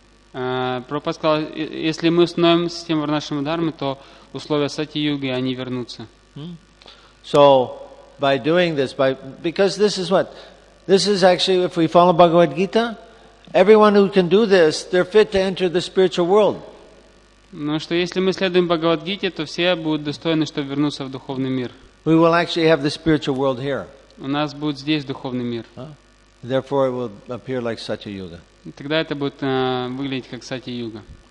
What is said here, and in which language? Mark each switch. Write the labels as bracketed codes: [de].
[ru] Прабхупада сказал, если мы установим систему Варнашрама Дхармы, то условия Сати-юги, они вернутся. [en] So, by doing this, by, because this is what? This is actually, if we follow Bhagavad Gita, everyone who can do this, they're fit to enter the spiritual world. [ru] Но что если мы следуем Бхагавад Гите, то все будут достойны, чтобы вернуться в духовный мир. [en] We will actually have the spiritual world here. [ru] У нас будет здесь духовный мир. [en] Therefore, it will appear like Satya-yuga. [ru] Тогда это будет выглядеть как Сати-юга.